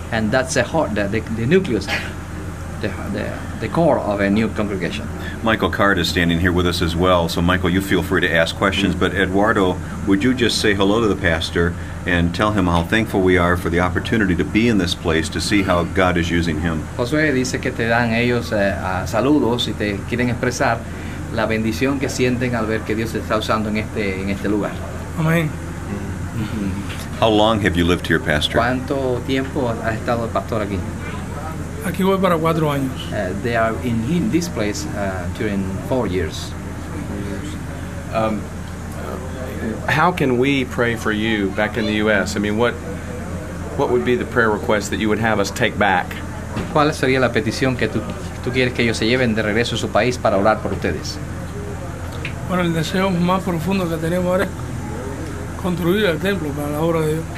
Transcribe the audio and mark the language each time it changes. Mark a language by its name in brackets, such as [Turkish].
[English] And that's the nucleus, the core of a new congregation. Michael Card is standing here with us as well. So, Michael, you feel free to ask questions. Mm-hmm. But Eduardo, would you just say hello to the pastor and tell him how thankful we are for the opportunity to be in this place to see how God is using him? [Spanish] Josué dice que te dan ellos saludos y te quieren expresar la bendición que sienten al ver que Dios está usando en este lugar. Amén. [English] How long have you lived here, Pastor? [Spanish] ¿Cuánto tiempo has estado el pastor aquí? Aquí voy para 4 años. [English] They are in this place during 4 years. How can we pray for you back in the U.S.? I mean, what would be the prayer request that you would have us take back? [Spanish] ¿Cuál sería la petición que tú quieres que ellos se lleven de regreso a su país para orar por ustedes? Bueno, el deseo más profundo que tenemos ahora es construir el templo para la obra de Dios.